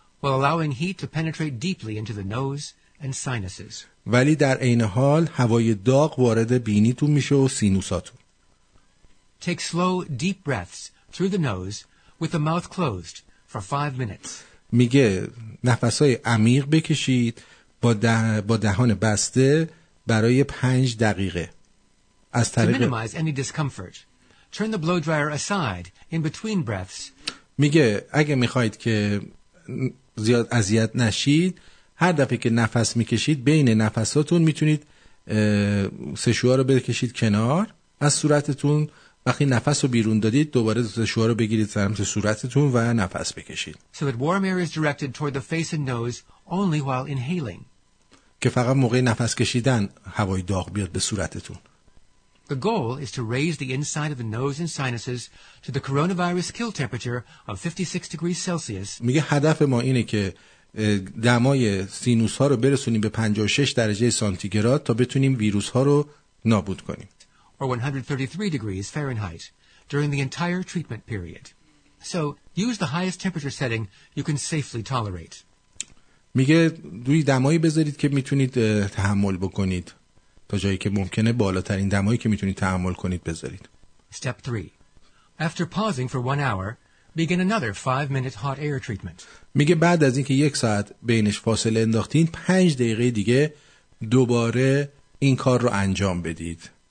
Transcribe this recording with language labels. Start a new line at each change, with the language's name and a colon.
English: While allowing heat to penetrate deeply into the nose and sinuses.
Persian: ولی در این حال هوای داغ وارد بینیتون میشه و سینوساتون.
English: Take slow deep breaths through the nose with the mouth closed for 5 minutes.
Persian: میگه نفسای عمیق بکشید با دهان بسته برای 5 دقیقه.
English: To minimize any discomfort, turn the blow dryer aside in between breaths.
Persian: میگه اگه میخواید که زیاد اذیت نشید هر دفعه که نفس میکشید بین نفساتون میتونید سشوار رو بکشید کنار از صورتتون وقتی نفس رو بیرون دادید دوباره سشوار رو بگیرید سمت صورتتون و نفس بکشید.
English: So that warm air is directed toward the face and nose only while inhaling.
Persian: که فقط موقع نفس کشیدن هوای داغ بیاد به صورتتون.
English: The goal is to raise the inside of the nose and sinuses to the coronavirus kill temperature of 56 degrees Celsius.
Persian: میگه هدف ما اینه که دمای سینوس ها رو برسونیم به 56 درجه سانتیگراد تا بتونیم ویروس ها رو نابود کنیم.
English: Or 133 degrees Fahrenheit during the entire treatment period. So use the highest temperature setting you can safely tolerate.
Persian: میگه روی دمایی بذارید که میتونید تحمل بکنید. تا جایی که ممکنه بالاترین دمایی که میتونید تحمل کنید بذارید.
English: Step 3. After pausing for 1 hour, begin another 5 minute hot air treatment.
Persian: میگه بعد از اینکه یک ساعت بینش فاصله انداختین 5 دقیقه دیگه دوباره این کار رو انجام بدید.